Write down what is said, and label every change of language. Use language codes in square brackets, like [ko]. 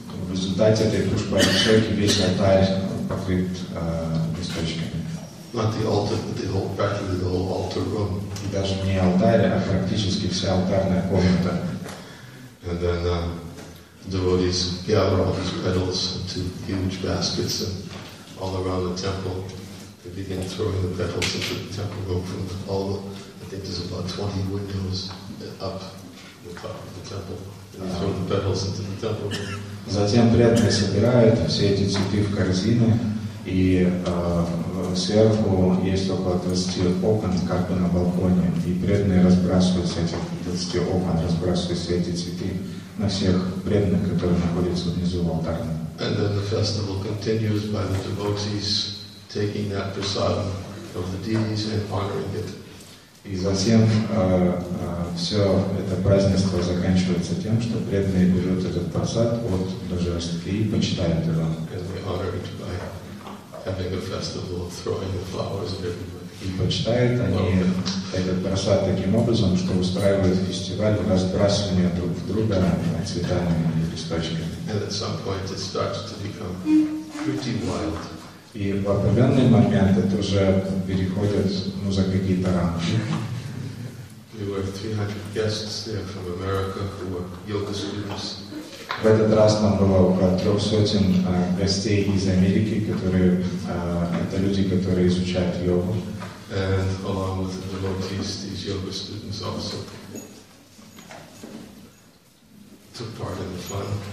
[ru] В результате этой пушпа цветочки весь алтарь покрыт листочками. И даже не алтарь, а практически вся алтарная комната. [en] Devotees gather all these petals into huge baskets and all around the temple. They begin throwing the petals into the temple room from all the, I think there's about 20 windows up the top of the temple. They throw the petals into the temple room. [ru] Затем преданные собирают все эти цветы в корзины, и сверху есть около 20 окон, как бы на балконе, и преданные разбрасывают с этих 20 окон, разбрасывают все эти цветы на всех преданных, которые находятся внизу в алтаре. [en] And then the festival continues by the devotees taking that prasad of the deities and honoring it. [ru] И затем все это празднество заканчивается тем, что преданные берут этот прасад от божеств и почитают его. [en] And they honor it by having a festival of throwing the flowers at everybody. [ru] И почитают они этот просад таким образом, что устраивает фестиваль разбрасывания друг в друга цветами и листочками. [en] And at some point it starts to become pretty wild. [ru] И в определенный момент это уже переходит, ну, за какие-то рамки. [en] There were 300 guests there from America who were yoga students. [ru] В этот раз там было около 300 гостей из Америки, которые это люди, которые изучают йогу. [en] And along with the devotees, these yoga students also took part in the fun.